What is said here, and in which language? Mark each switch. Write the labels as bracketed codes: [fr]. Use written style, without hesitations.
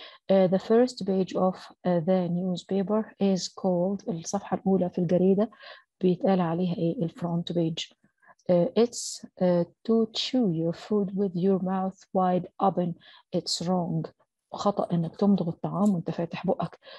[en] The first page of the newspaper is called، [ar] الصفحة الأولى في الجريدة بيتقال عليها إيه؟ الفرونت بيج. [en] It's to chew your food with your mouth wide open. It's wrong. [ar] خطأ إنك تمضغ الطعام وأنت فاتح بقك.